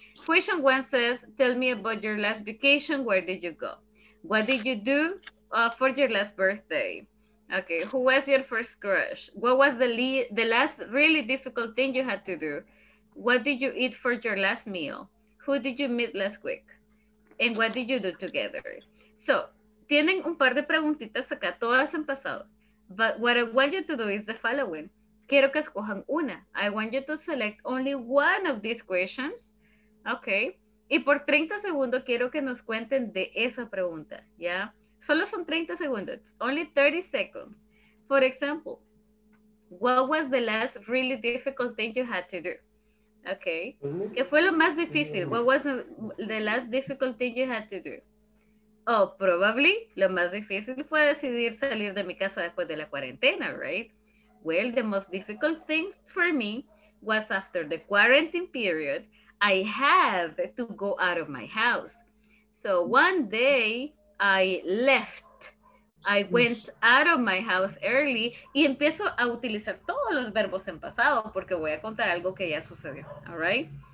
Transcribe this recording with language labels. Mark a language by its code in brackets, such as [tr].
[en] Question one says, tell me about your last vacation. Where did you go? What did you do for your last birthday? Okay, who was your first crush? What was the last really difficult thing you had to do? What did you eat for your last meal? Who did you meet last week? And what did you do together? [es] So, tienen un par de preguntitas acá, todas en pasado. [en] But what I want you to do is the following. [es] Quiero que escojan una. [en] I want you to select only one of these questions. Okay. [es] Y por 30 segundos quiero que nos cuenten de esa pregunta. Yeah. Solo son 30 segundos. [en] Only 30 seconds. For example, what was the last really difficult thing you had to do? Okay. [es] ¿Qué fue lo más difícil? [en] What was the last difficult thing you had to do? Oh, probably [es] lo más difícil fue decidir salir de mi casa después de la cuarentena, right? [en] Well, the most difficult thing for me was after the quarantine period, I had to go out of my house. So one day I left. I went out of my house early [es] y empiezo a utilizar todos los verbos en pasado porque voy a contar algo que ya sucedió, [en] all right?